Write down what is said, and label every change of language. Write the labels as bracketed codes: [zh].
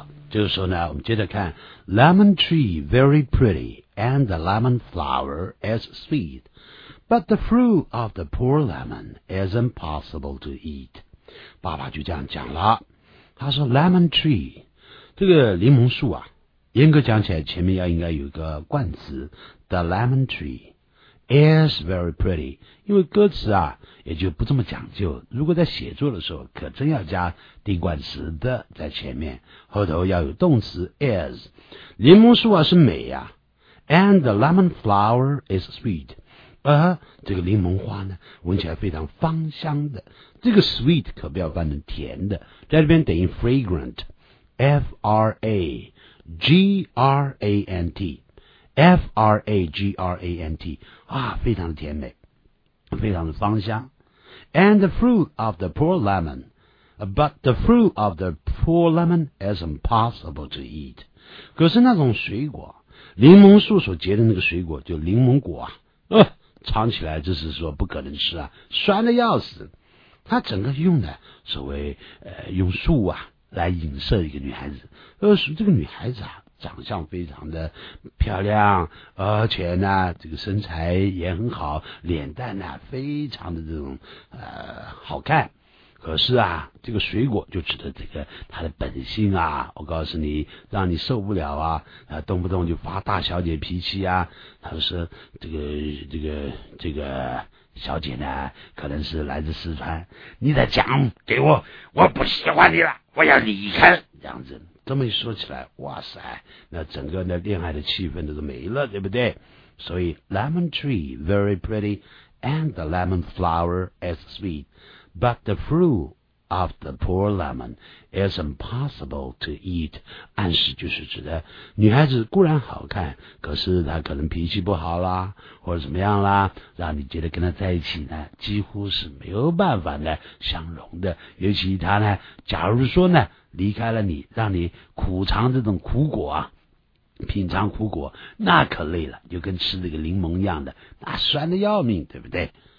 [zh] 这个时候呢，我们接着看 [en] Lemon tree very pretty and the lemon flower as sweet, but the fruit of the poor lemon is impossible to eat. [zh] 爸爸就这样讲了，他说 Lemon tree 这个柠檬树啊，严格讲起来前面要应该有个冠词 [en] The lemon tree is very pretty, [zh] 因为歌词啊也就不这么讲究，如果在写作的时候可真要加定冠词 the 在前面，后头要有动词 is。柠檬树啊是美啊， [en] and the lemon flower is sweet, [zh] 而这个柠檬花呢闻起来非常芳香的，这个 sweet 可不要翻成甜的，在这边等于 fragrant, fragrant, fragrant, 啊，非常的甜美，非常的芳香。 [en] And the fruit of the poor lemon, but the fruit of the poor lemon is impossible to eat. [zh] 可是那种水果，柠檬树所结的那个水果，就柠檬果啊，尝起来就是说不可能吃啊，酸的要死。它整个用的所谓用树啊来影射一个女孩子，这个女孩子啊。长相非常的漂亮，而且呢这个身材也很好，脸蛋呢非常的这种好看，可是啊这个水果就指的这个它的本性啊，我告诉你让你受不了啊，动不动就发大小姐脾气啊，他说这个小姐呢可能是来自四川，你的奖给我，我不喜欢你了，我要离开，这样子。这么一说起来，哇塞，那整个的恋爱的气氛都没了，对不对？所以 [en] Lemon tree very pretty and the lemon flower as sweet, but the fruit of the poor lemon is impossible to eat. [zh] 暗示就是指的女孩子固然好看，可是她可能脾气不好啦，或者怎么样啦，让你觉得跟她在一起呢，几乎是没有办法呢相容的。尤其她呢，假如说呢，离开了你，让你苦尝这种苦果啊，品尝苦果，那可累了，就跟吃这个柠檬一样的，那酸得要命，对不对？